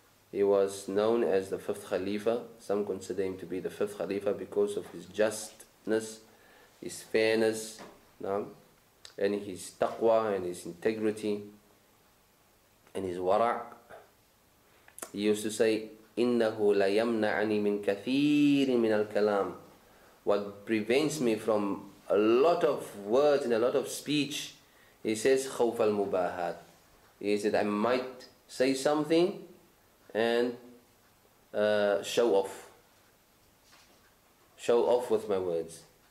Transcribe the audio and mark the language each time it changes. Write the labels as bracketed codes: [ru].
[en] He was known as the fifth Khalifa. Some consider him to be the fifth Khalifa because of his justness, his fairness, and his taqwa and his integrity and his wara'. He used to say, [ar] إِنَّهُ لَيَمْنَعَنِي مِنْ كَثِيرٍ مِنَ الْكَلَامِ. [en] What prevents me from a lot of words and a lot of speech, he says, [ar] خَوْفَ الْمُبَاهَاتِ. [en] He said, I might say something and show off with my words.